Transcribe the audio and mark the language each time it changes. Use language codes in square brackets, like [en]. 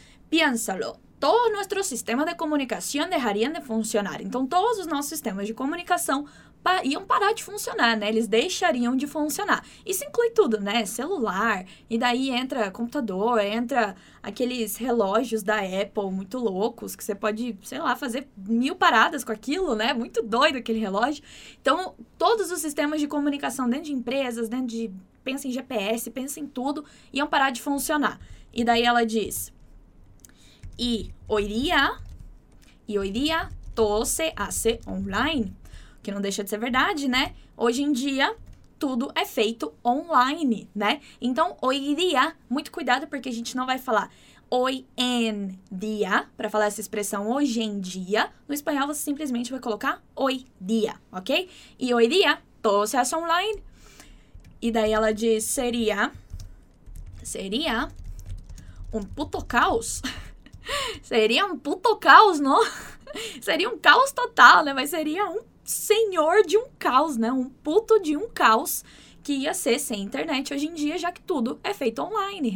[es] Piénsalo, todos nuestros sistemas de comunicación dejarían de funcionar. [pt] Então, todos os nossos sistemas de comunicação iam parar de funcionar, né? Eles deixariam de funcionar. Isso inclui tudo, né? Celular, e daí entra computador, entra aqueles relógios da Apple muito loucos, que você pode, sei lá, fazer mil paradas com aquilo, né? Muito doido aquele relógio. Então, todos os sistemas de comunicação dentro de empresas, dentro de, pensa em GPS, pensa em tudo, iam parar de funcionar. E daí ela diz, [es] E hoy día todo se hace online. [pt] Que não deixa de ser verdade, né? Hoje em dia, tudo é feito online, né? Então, hoy día, muito cuidado, porque a gente não vai falar [es] hoy en día, [pt] para falar essa expressão hoje em dia. No espanhol, você simplesmente vai colocar hoy día, ok? [es] E hoy día, todo se hace online. [pt] E daí ela diz, seria um puto caos. Seria um puto caos, não? Seria um caos total, né? Mas seria um senhor de um caos, né? Um puto de um caos que ia ser sem internet hoje em dia, já que tudo é feito online.